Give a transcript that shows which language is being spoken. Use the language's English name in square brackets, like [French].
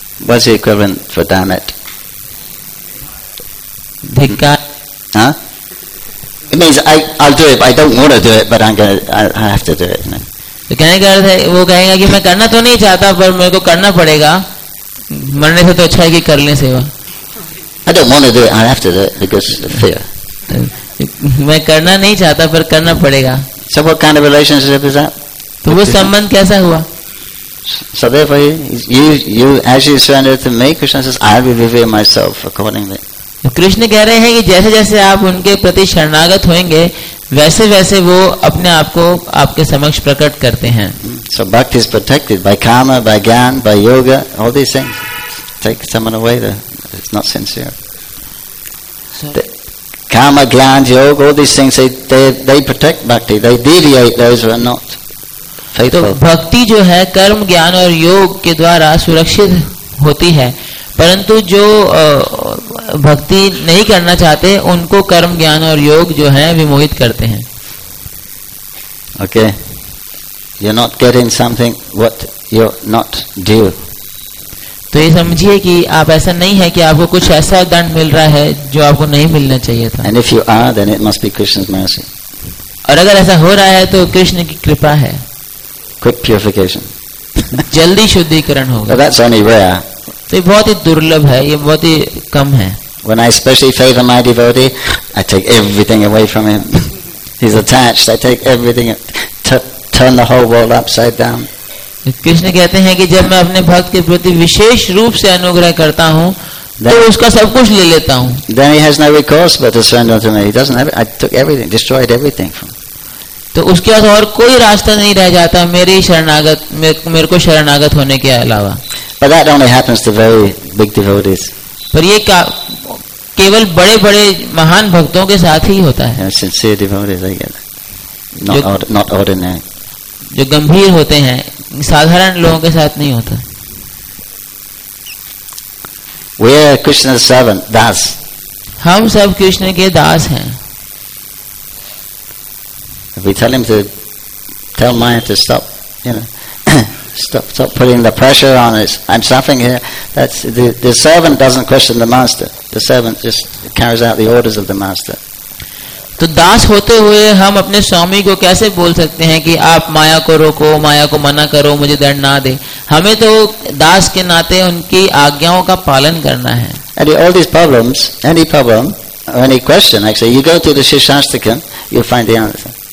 [English] What's the equivalent for damn it? Huh? It means I'll do it, but I don't want to do it, but I have to do it. [Hindi] तो कहने का अर्थ है वो कहेगा कि मैं करना तो नहीं चाहता पर मेरे को करना पड़ेगा. मरने से तो अच्छा है कि कर लें सेवा. [English] I don't want to do it, I have to do it because of fear. [Hindi] मैं करना नहीं चाहता पर करना पड़ेगा. [English] So what kind of relationship is that? [Hindi] तो वो संबंध कैसा हुआ? [English] So therefore, you as you surrender to me, Krishna says, I will reveal myself accordingly. [Hindi] Krishna कह रहे हैं कि जैसे जैसे आप उनके प्रति शरणागत होंगे वैसे वैसे वो अपने आप को आपके समक्ष प्रकट करते हैं. [English] So bhakti is protected by karma, by jnana, by yoga, all these things. Take someone away there. It's not sincere. So, karma, jnana, yoga, all these things, they protect bhakti. They deviate those who are not faithful. [Hindi] तो भक्ति जो है कर्म ज्ञान और योग के द्वारा सुरक्षित होती है परंतु जो भक्ति नहीं करना चाहते उनको कर्म ज्ञान और योग जो है विमोहित करते हैं. [English] Okay, you're not getting something what you're not due. [Hindi] तो ये समझिए कि आप ऐसा नहीं है कि आपको कुछ ऐसा दंड मिल रहा है जो आपको नहीं मिलना चाहिए था. [English] And if you are, then it must be Krishna's mercy. [Hindi] और अगर ऐसा हो रहा है तो कृष्ण की कृपा है. [English] Quick purification. [Hindi] जल्दी शुद्धिकरण होगा. [English] So that's only rare. [Hindi] तो ये बहुत ही दुर्लभ है, ये बहुत ही कम है. [English] When I especially favor my devotee, I take everything away from him. He's attached. I take everything. Turn the whole world upside down. [Hindi] Krishna कहते हैं कि जब मैं अपने भक्त के प्रति विशेष रूप से अनुग्रह करता हूँ, तो उसका सब कुछ ले लेता हूँ. [English] Then he has no recourse but to surrender to me. He doesn't have it. I took everything, destroyed everything from. [Hindi] तो उसके बाद और कोई रास्ता नहीं रह जाता मेरे शरणागत मेरे को शरणागत होने के अलावा. [English] But that only happens to very big devotees. [Hindi] पर ये केवल बड़े बड़े महान भक्तों के साथ ही होता है. [English] Sincere devotees, I get. Not ordinary. [Hindi] जो गंभीर होते हैं साधारण लोगों के साथ नहीं होता. [English] We are Krishna's servant, das. [Hindi] हम सब कृष्ण के दास हैं. [English] If we tell him to tell Maya to stop, you know, stop putting the pressure on us. I'm suffering here. That's the servant doesn't question the master. The servant just carries out the orders of the master. [Hindi] तो दास होते हुए हम अपने स्वामी को कैसे बोल सकते हैं कि आप माया को रोको, माया को मना करो, मुझे दंड ना दे. हमें तो दास के नाते उनकी आज्ञाओं का पालन करना है. [English] And all these problems, any problem, any question, actually, you go to the Shishastikam, you'll find the answer.